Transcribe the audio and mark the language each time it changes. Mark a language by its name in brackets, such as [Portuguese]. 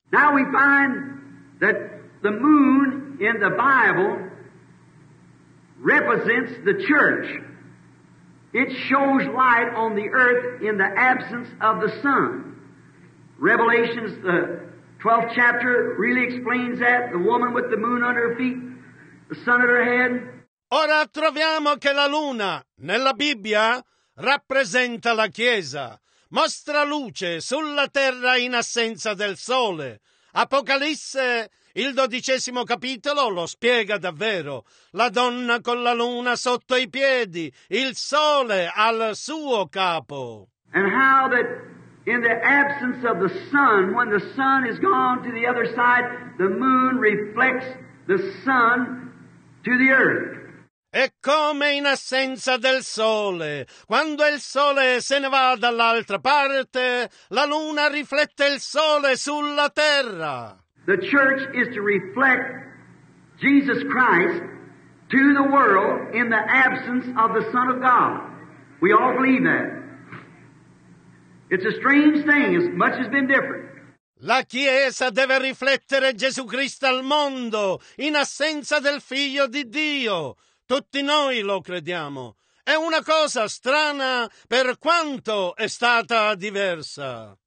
[English] Now we find that the moon in the Bible represents the church. It shows light on the earth in the absence of the sun. Revelations, the 12th chapter, really explains that, the woman with the moon under her feet, the sun at her head. [Italian] Ora troviamo che la luna, nella Bibbia, rappresenta la Chiesa. Mostra luce sulla terra in assenza del sole. Apocalisse, il 12° capitolo, lo spiega davvero. La donna con la luna sotto i piedi, il sole al suo capo. [English] And how that in the absence of the sun, when the sun is gone to the other side, the moon reflects the sun to the earth. [Italian] E come in assenza del sole, quando il sole se ne va dall'altra parte, la luna riflette il sole sulla terra. [English] The church is to reflect Jesus Christ to the world in the absence of the Son of God. We all believe that. It's a strange thing, as much has been different. [Italian] La Chiesa deve riflettere Gesù Cristo al mondo in assenza del Figlio di Dio. Tutti noi lo crediamo. È una cosa strana per quanto è stata diversa.